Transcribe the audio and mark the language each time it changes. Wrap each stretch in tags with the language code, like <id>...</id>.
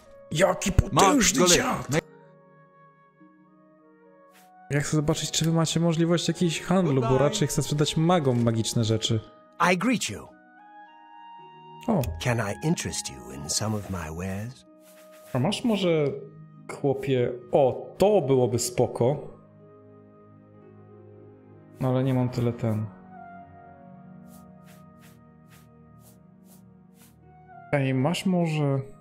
<pl>Jaki potężny dziad! Ja chcę zobaczyć, czy wy macie możliwość jakiegoś handlu, bo raczej chcę sprzedać magom magiczne rzeczy.</pl> <en>I greet you. O. Can I interest you in some of my wares?</en> <pl>A masz może, chłopie, o, to byłoby spoko. No ale nie mam tyle ten. Ej, masz może...</pl>